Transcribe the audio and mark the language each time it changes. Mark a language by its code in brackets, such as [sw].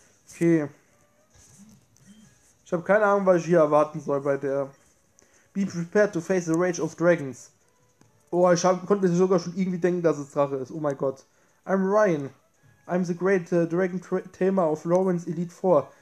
[de] Okay. Ich habe keine Ahnung, was ich hier erwarten soll bei der. [en] Be prepared to face the Rage of Dragons. [de] Oh, ich hab, konnte mir sogar schon irgendwie denken, dass es Drache ist. Oh mein Gott. [en] I'm Ryan. I'm the great Dragon Tamer of Lauren's Elite Four.